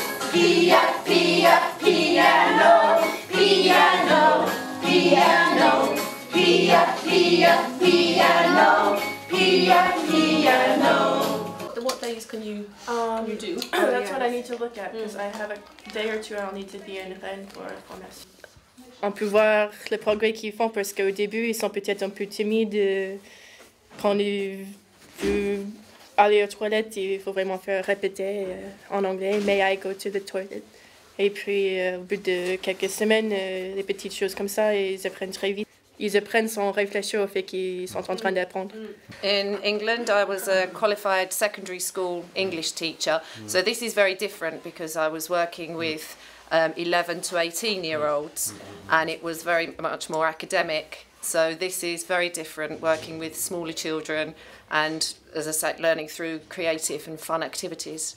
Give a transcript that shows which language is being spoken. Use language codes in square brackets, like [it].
[en] Pia, pia, piano, piano, piano. Pia, pia, piano. Piano. What days can you you do? That's what I need to look at because I have a day or two I'll need to be in Rennes for a promise. [fr] On peut voir le progrès qu'ils font parce qu'au début ils sont peut-être un peu timides quand ils veulent aller aux toilettes, il faut vraiment faire répéter en anglais [en] may I go to the toilet, [fr] et puis au bout de quelques semaines les petites choses comme ça ils apprennent très vite. Ils apprennent sans réfléchir au fait qu'ils sont en train d'apprendre. [en] In England, I was a qualified secondary school English teacher. So this is very different because I was working with 11 to 18 year olds and it was very much more academic. So this is very different working with smaller children and, as I said, learning through creative and fun activities.